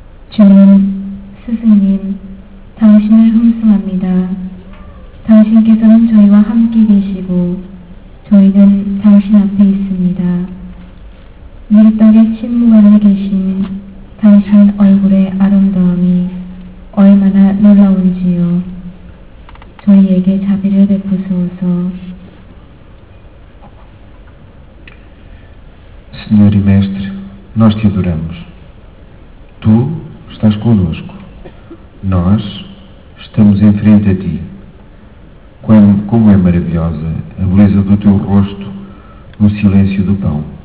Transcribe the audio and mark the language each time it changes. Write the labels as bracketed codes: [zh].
[ko] جميل سسنين 당신을 흠숭합니다 당신께서는 저희와 함께 계시고 저희는 당신 앞에 있습니다. 물떡의 침묵하고 계신 당신 얼굴의 아름다움이 얼마나 놀라운지요. 저희에게 자비를 베푸소서. [pt] Senhor e Mestre, nós te adoramos. Tu estás conosco. Nós estamos em frente a ti. Como é maravilhosa a beleza do teu rosto no silêncio do pão.